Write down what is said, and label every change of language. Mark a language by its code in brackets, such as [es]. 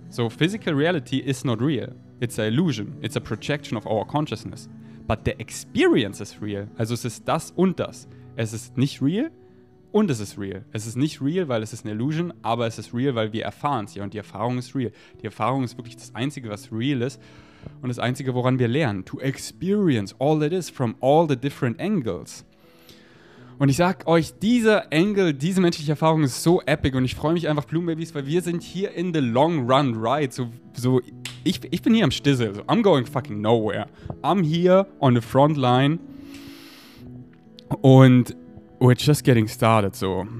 [en] So physical reality is not real. It's an illusion. It's a projection of our consciousness. But the experience is real. [de] Also es ist das und das. Es ist nicht real. Und es ist real. Es ist nicht real, weil es ist eine Illusion, aber es ist real, weil wir erfahren es ja. Und die Erfahrung ist real. Die Erfahrung ist wirklich das Einzige, was real ist. Und das Einzige, woran wir lernen. [en] To experience all that is from all the different angles. [de] Und ich sag euch, dieser Angle, diese menschliche Erfahrung ist so epic. Und ich freue mich einfach, Blumenbabys, weil wir sind hier [en] in the long run, right? [de] So, ich bin hier am Stissel. So, [en] I'm going fucking nowhere. I'm here on the front line. Und we're just getting started, so.